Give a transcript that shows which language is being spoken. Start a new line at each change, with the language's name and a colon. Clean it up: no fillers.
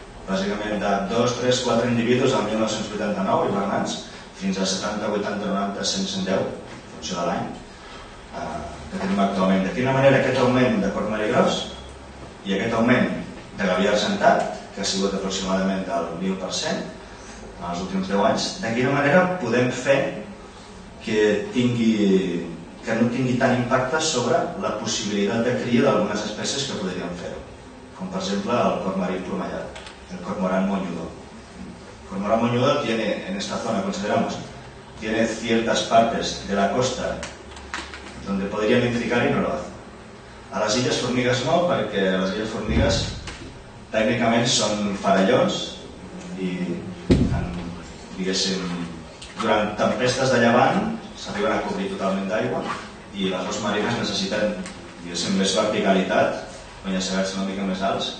Catalan: bàsicament de 2, 3, 4 individus al 1989 hivernants fins a 70, 80, 90, 110 en funció de l'any que tenim actualment. De quina manera aquest augment de corb marí gros i aquest augment de gavià argentat, que ha sigut aproximadament del 1000% en els últims 10 anys, de quina manera podem fer que tingui, que no tingui tant impacte sobre la possibilitat de cria d'algunes espècies que podríem fer, com per exemple el corb marí plomallat, el cormorán moñudo.
Spanish: El cormorán moñudo tiene, en esta zona consideramos, tiene ciertas partes de la costa donde podría nidificar y no lo hace.
Catalan: A las illes formigues no, perquè les illes formigues tècnicament són farallons i en, diguéssim, durant tempestes de llevant s'arriben a cobrir totalment d'aigua i les aus marines necessiten, diguéssim, més verticalitat, penya-segats una mica més alts.